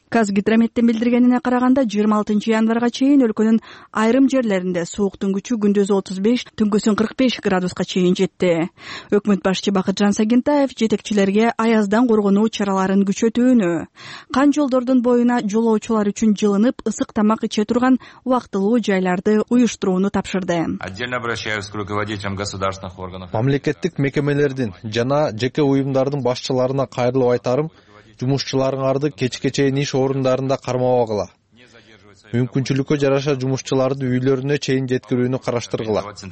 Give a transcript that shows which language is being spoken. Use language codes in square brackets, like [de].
[ky] Казгидрометтин билдиргенине караганда 26-январга чейин өлкөнүн айрым жерлеринде сууктун күчү күндүз 35, түнкүсүн 45 градуска чейин жетти. Өкмөт башчы Бакытжан Сагинтаев жетекчилерге аяздан коргонуу чараларын күчөтүүнү, кан жолдордун боюна жолоочулар үчүн жылынып, ысык тамак иче турган убактылуу жайларды уюштурууну тапшырды. [ru] Отдельно обращаюсь к руководителям государственных органов. [ky] Мамлекеттик мекемелердин жана жеке уюмдардын башчыларына кайрылып айтарым, жумушчуларыңарды кечке чейин иш орундарында кармабагыла. Мүмкүнчүлүккө жараша жумушчуларды үйлөрүнө чейин жеткирүүнү караштыргыла.